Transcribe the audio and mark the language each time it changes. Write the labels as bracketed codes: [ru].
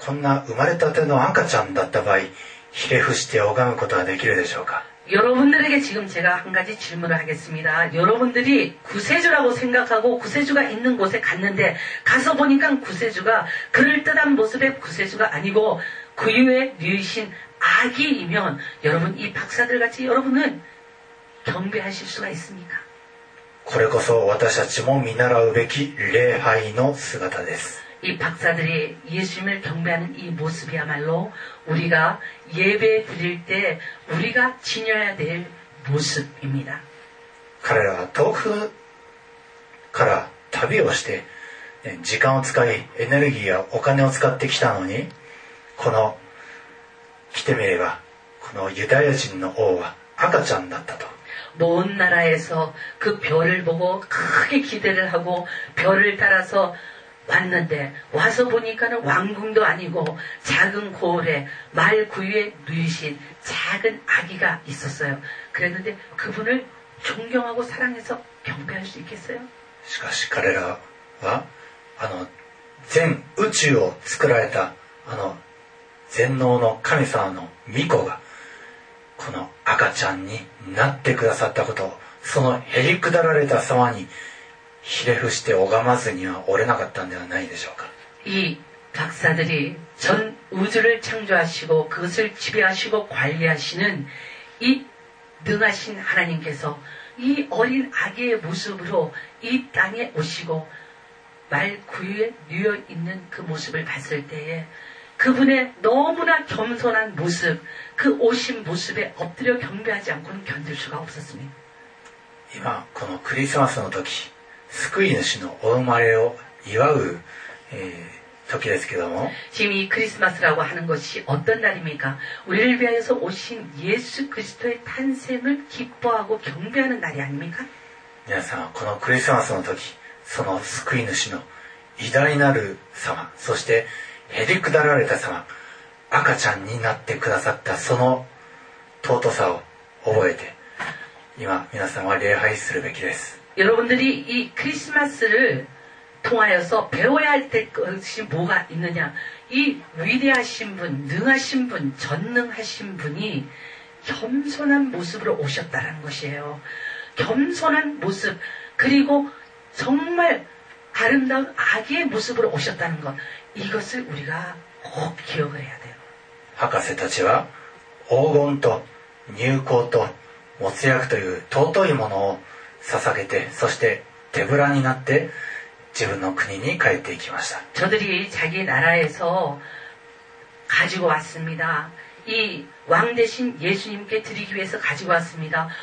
[ja] 皆さんは救い主だと思って遠くから旅してきたその相手が実はこんな生まれたての赤ちゃんだった場合 ひれ伏して拝むことはできるでしょうか? [ko] 여러분들에게 지금 제가 한 가지 질문을 하겠습니다. 여러분들이 구세주라고 생각하고 구세주가 있는 곳에 갔는데 가서 보니까 구세주가 그럴듯한 모습의 구세주가 아니고 구유에 누이신 아기이면 여러분 이 박사들 같이 여러분은 경배하실 수가 있습니까? [ja] これこそ私たちも見習うべき礼拝の姿です。 [ko] 이 박사들이 예수님을 경배하는 이 모습이야말로 우리가 예배 드릴 때 우리가 지녀야 될 모습입니다. [ja] 彼らは遠くから旅をして時間を使いエネルギーやお金を使ってきたのに、この来てみればこのユダヤ人の王は赤ちゃんだったと。 [ko] 먼 나라에서 그 별을 보고 크게 기대를 하고 별을 따라서 왔는데 와서 보니까는 왕궁도 아니고 작은 고을에 말 구유에 누이신 작은 아기가 있었어요. 그랬는데 그분을 존경하고 사랑해서 경배할 수 있겠어요? [ja] しかし彼らは全宇宙を作られた全能の神様の御子がこの赤ちゃんになってくださったこと、そのへりくだられた様にひれ伏して拝まずにはおれなかったんではないでしょうか。 [ko] 이박사들이전우주를창조하시고그것을지배하시고관리하시는이능하신하나님께서이어린아기의모습으로이땅에오시고말구유에누워있는그모습을봤을때에그분의너무나겸손한모습그오신모습에엎드려경배하지않고는견딜수가없었습니다 [ja] 今このクリスマスの時、救い主のお生まれを祝う時ですけども、 [ko] 지금이크리스마스라고하는것이어떤날입니까？ 우리를위하여서오신예수그리스도의탄생을기뻐하고경배하는날이아닙니까？ [ja] 皆さん、このクリスマスの時、その救い主の偉大なる様、そしてへりくだられた様、赤ちゃんになってくださったその尊さを覚えて、今皆さんは礼拝するべきです。 [ko] 여러분들이이크리스마스를통하여서배워야할것이뭐가있느냐？ 이위대하신분、능하신분、전능하신분이겸손한모습으로오셨다라는것이에요。 겸손한모습그리고정말아름다운아기의모습으로오셨다는것이것을우리가꼭기억을해야돼요 [ja] 博士たちは黄金と乳香と没薬という尊いものを捧げて、そして手ぶらになって自分の国に帰っていきました。 [ko] 저들이자기나라에서가지고왔습니다。 이왕대신예수님께드리기위해서가지고왔습니다。